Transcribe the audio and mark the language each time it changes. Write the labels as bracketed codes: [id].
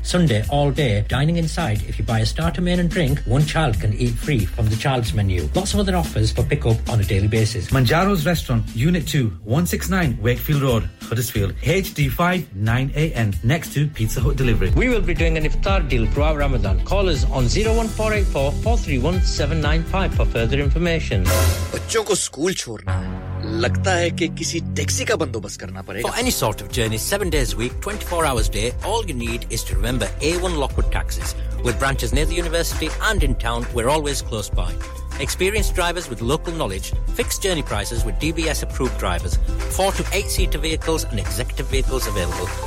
[en] Sunday, all day, dining inside. If you buy a starter, main and drink, one child can eat free from the child's menu. Lots of other offers for pick-up on a daily basis. Manjaro's Restaurant, Unit 2. 169 Wakefield Road, Huddersfield, HD59AN, next to Pizza Hut Delivery. We will be doing an iftar deal throughout Ramadan. Call us on 01484 431 795 for further information. [hi] बच्चों को school छोड़ना है लगता है कि किसी taxi का बंदोबस्त करना पड़ेगा [en] For any sort of journey, 7 days a week, 24 hours a day, all you need is to remember A1 Lockwood Taxis. With branches near the university and in town, we're always close by. Experienced drivers with local knowledge, fixed journey prices with DBS approved drivers, 4 to 8 seater vehicles and executive vehicles available.